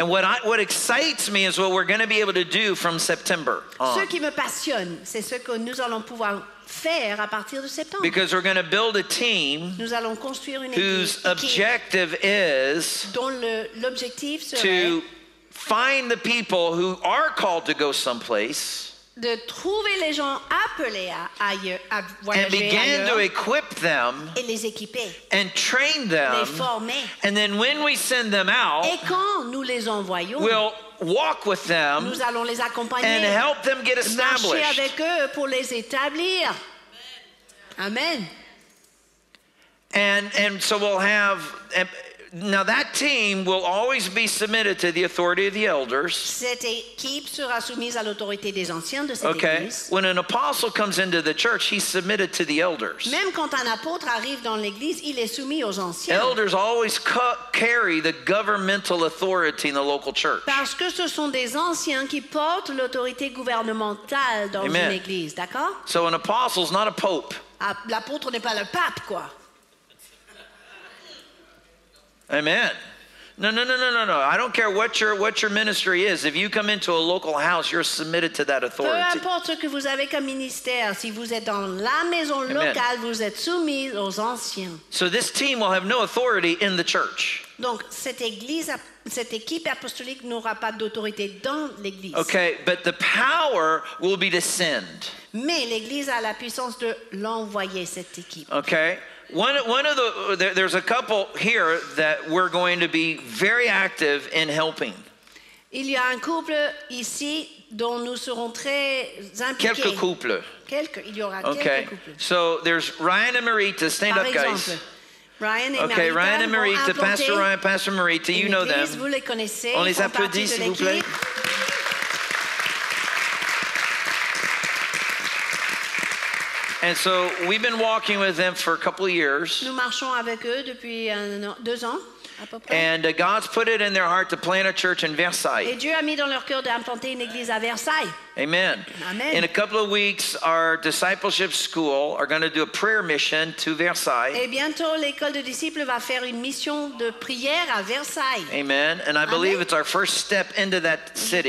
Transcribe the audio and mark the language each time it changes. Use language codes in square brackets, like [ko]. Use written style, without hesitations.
[en] And what excites me is what we're going to be able to do from September on. [fr] Ce qui me passionne, c'est ce que nous allons pouvoir faire à partir de septembre. [en] Because we're going to build a team [fr] nous allons construire une [en] whose objective is [fr] dont l'objectif serait [en] to find the people who are called to go someplace [fr] de trouver les gens appelés à voyager ailleurs [en] and begin to equip them [fr] et les équiper [en] and train them [fr] les former [en] and then when we send them out [fr] et quand nous les envoyons [en] we'll walk with them [fr] nous allons les accompagner [en] and help them get established [fr] marcher avec eux pour les établir. Amen. [en] And so we'll have now that team will always be submitted to the authority of the elders. [fr] Cette équipe sera soumise à l'autorité des anciens de cette [en] okay. [fr] Église. [en] When an apostle comes into the church, he's submitted to the elders. [fr] Même quand un apôtre arrive dans l'église, il est soumis aux anciens. [en] Elders always carry the governmental authority in the local church. [fr] Parce que ce sont des anciens qui portent l'autorité gouvernementale dans [en] Amen. [fr] Une église, d'accord? [en] So an apostle is not a pope. [fr] L'apôtre n'est pas le pape, quoi. [en] Amen. No. I don't care what your ministry is. If you come into a local house, you're submitted to that authority. [fr] Peu importe ce que vous avez comme ministère, si vous êtes dans la maison Amen. Locale, vous êtes soumis aux anciens. [en] So this team will have no authority in the church. [fr] Donc cette église, cette équipe apostolique n'aura pas d'autorité dans l'église. [en] Okay, but the power will be to send. [fr] Mais l'église a la puissance de l'envoyer cette équipe. [en] Okay. One of the there's a couple here that we're going to be very active in helping. [fr] Il y a un couple ici dont nous serons très impliqués. Quelques couples. Quelques il y aura [en] okay. [fr] Quelques couples. [en] So there's Ryan and Marita, stand [fr] par [en] up [fr] exemple, [en] guys. [fr] Ryan et [en] okay, [fr] Marita. [en] Ryan and Marita, Pastor Ryan, Pastor Marita, you know them. [fr] Vous les connaissez. On les applaudit s'il vous plaît. [en] And so we've been walking with them for a couple of years. [fr] Nous marchons avec eux depuis deux ans, à peu près. [en] And God's put it in their heart to plant a church in Versailles. [fr] Et Dieu a mis dans leur cœur d'implanter une église à Versailles. [en] Amen. Amen. In a couple of weeks, our discipleship school are going to do a prayer mission to Versailles. [fr] Et bientôt, l'école de disciples va faire une mission de prière à Versailles. [en] Amen. And I believe it's our first step into that city.